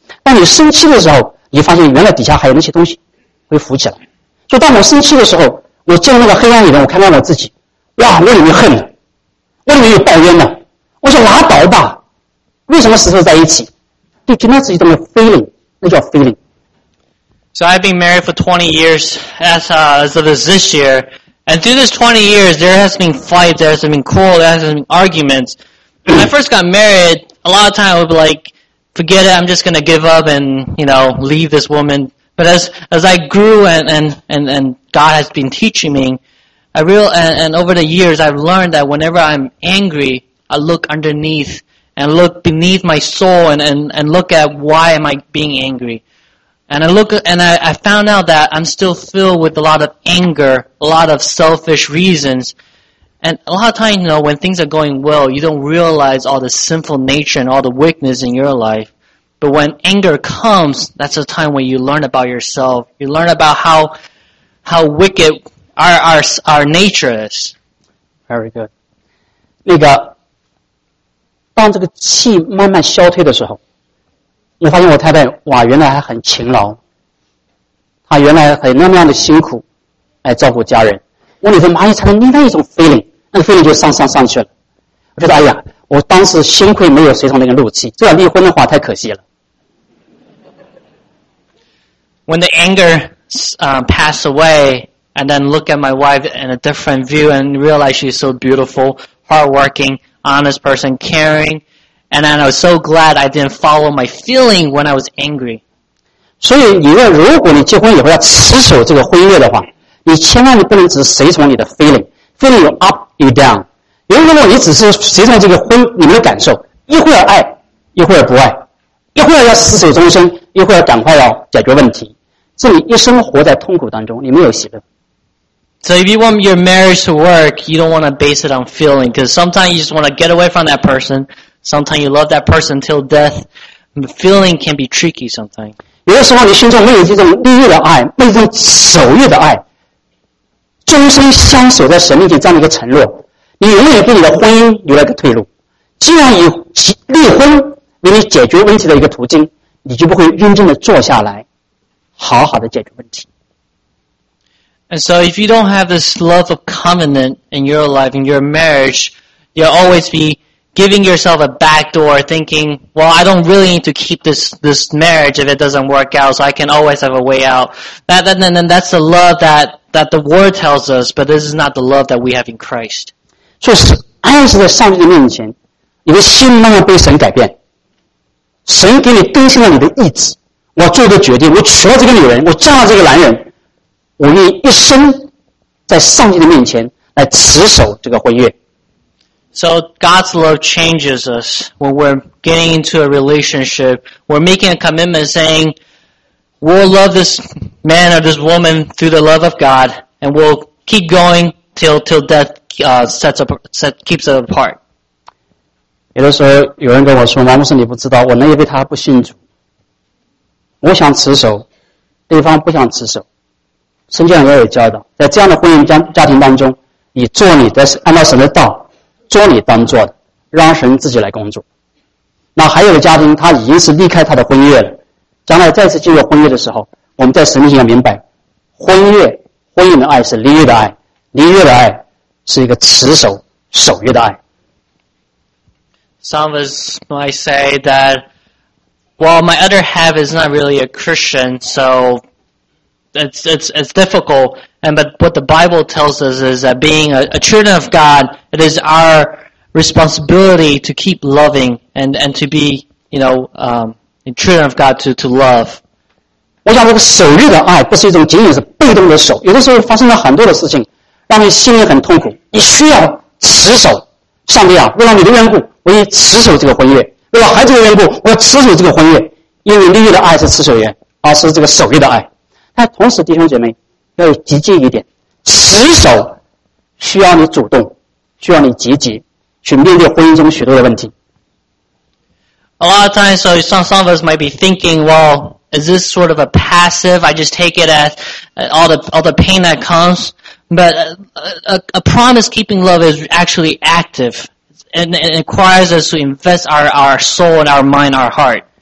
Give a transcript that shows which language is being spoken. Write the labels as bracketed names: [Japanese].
[Chinese] 但你生气的时候，你发现原来底下还有那些东西会浮起来，所以当我生气的时候，我进入那个黑暗里面，我看到了自己，哇，我里面恨的，我里面有抱怨的，我想拉倒吧，为什么死守在一起？就听到自己这么 feeling， 那叫 feeling。 [English] So I've been married for 20 years as of this year, and through this 20 years, there has been fight, there has been quarrel, there has been arguments. When I first got married, a lot of time I would be like, forget it, I'm just gonna give up and you know leave this woman. But as I grew and God has been teaching me, and over the years I've learned that whenever I'm angry, I look underneath and look beneath my soul and look at why am I being angry. And I look and I found out that I'm still filled with a lot of anger, a lot of selfish reasons. And a lot of times, you know, when things are going well, you don't realize all the sinful nature and all the weakness in your life. But when anger comes, that's the time when you learn about yourself. You learn about how wicked our nature is. Very good. [Chinese] 那个，当这个气慢慢消退的时候，我发现我太太哇，原来还很勤劳，她原来很那么样的辛苦来照顾家人。我里头马上产生另外一种 feeling， 那个 feeling 就上去了。我觉得哎呀，我当时幸亏没有随从那个怒气，这要离婚的话太可惜了。 [English] When the anger passed away, and then look at my wife in a different view and realize she's so beautiful, hardworking, honest person, caring, And then I was so glad I didn't follow my feeling when I was angry. [Chinese] 所以你要如果你结婚以后要持守这个婚约的话，你千万不能只随从你的 feeling， feeling 有 up 有 down。如果你只是随从这个婚你们的感受，一会儿爱，一会儿不爱，一会儿要死守终身，一会儿赶快要解决问题，这你一生活在痛苦当中，你没有喜乐。 [English] So if you want your marriage to work, you don't want to base it on feeling, because sometimes you just want to get away from that person. Sometimes you love that person till death. Feeling can be tricky sometimes. [Chinese] 有的时候你心中没有这种利益的爱，没有这种守约的爱，终身相守在神面前这样的一个承诺，你永远给你的婚姻留了一个退路。既然以离婚为你解决问题的一个途径，你就不会认真的坐下来，好好的解决问题。 [English] And so if you don't have this love of covenant in your life, in your marriage, you'll always be giving yourself a back door, thinking, well, I don't really need to keep this marriage if it doesn't work out, so I can always have a way out. That's the love that the word tells us, but this is not the love that we have in Christ. [Chinese] 所以爱是在上帝的面前，你的心慢慢被神改变，神给你更新了你的意志，我做的决定，我娶了这个女人，我嫁了这个男人，我愿意一生在上帝的面前来持守这个婚约。 [English] So God's love changes us when we're getting into a relationship. We're making a commitment saying we'll love this man or this woman through the love of God and we'll keep going till death keeps us apart. [Chinese] 有的时候有人跟我说，王牧师你不知道，我那一辈他不信主，我想持守，对方不想持守，圣经也有教导，在这样的婚姻家庭当中，你做你的，按照神的道做你当做的，让神自己来工作。那还有的家庭他已经是离开他的婚约了，将来再次进入婚约的时候，我们在神面前要明白，婚姻的爱是离约的爱，离约的爱是一个持守守约的爱。 [English] Some of us might say that well, my other half is not really a Christian, so it's difficult. And but what the Bible tells us is that being a children of God, it is our responsibility to keep loving and to be, you know, a children of God to love. [Chinese] 我想这个守约的爱不是一种仅仅是被动的守，有的时候发生了很多的事情，让你心里很痛苦，你需要持守。上帝啊，为了你的缘故，我也持守这个婚约；为了孩子的缘故，我要持守这个婚约。因为立约的爱是持守约，而是这个守约的爱。但同时，弟兄姐妹要有积极一点，持守需要你主动，需要你积极去面对婚姻中许多的问题。 [English] A lot of times, so some of us might be thinking, well, is this sort of a passive? I just take it as all the pain that comes. But a promise-keeping love is actually active, and requires us to invest our soul and our mind, our heart.